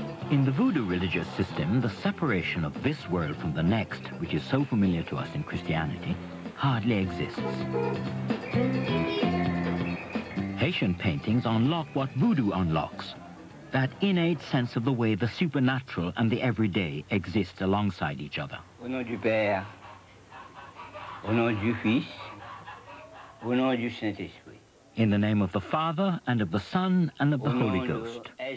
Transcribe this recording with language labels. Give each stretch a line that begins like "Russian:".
English: In the voodoo religious system, the separation of this world from the next, which is so familiar to us in Christianity, hardly exists. Haitian paintings unlock what voodoo unlocks, that innate sense of the way the supernatural and the everyday exist alongside each other.
French: Au nom du Père, au nom du Fils, au nom du Saint-Esprit.
English: In the name of the Father and of the Son and of the Holy Ghost.